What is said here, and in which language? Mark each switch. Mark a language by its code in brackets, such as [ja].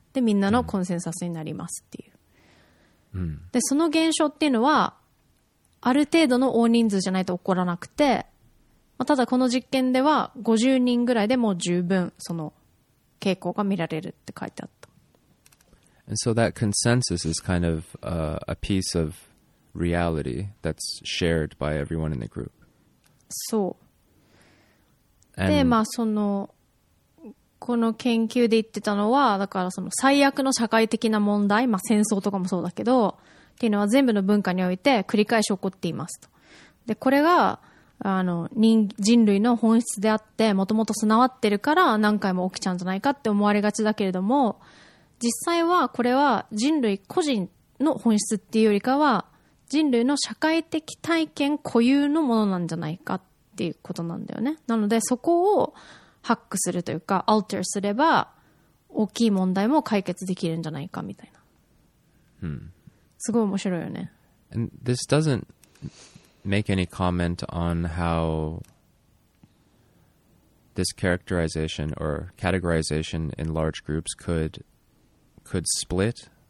[ja] で、みんなのコンセンサスになりますっていう。で、その現象っていうのは、ある程度の大人数じゃないと起こらなくて、まあ、ただこの実験では50人ぐらいでもう十分その傾向が見られるって書いてあった。 [en] And so that consensus is kind of a piece of reality that's shared by everyone in the group. [ja] そう。で、まあその、この研究で言ってたのは、だからその最悪の社会的な問題、まあ戦争とかもそうだけど、っていうのは全部の文化において繰り返し起こっていますと。で、これが、人類の本質であって、もともと備わってるから何回も起きちゃうんじゃないかって思われがちだけれども、実際はこれは人類個人の本質っていうよりかは人類の社会的体験固有のものなんじゃないかっていうことなんだよね。なのでそこをハックするというかアルターすれば大きい問題も解決できるんじゃないかみたいな。すごい面白いよね。 [en] And this doesn't make any comment on how this characterization or categorization in large groups could split?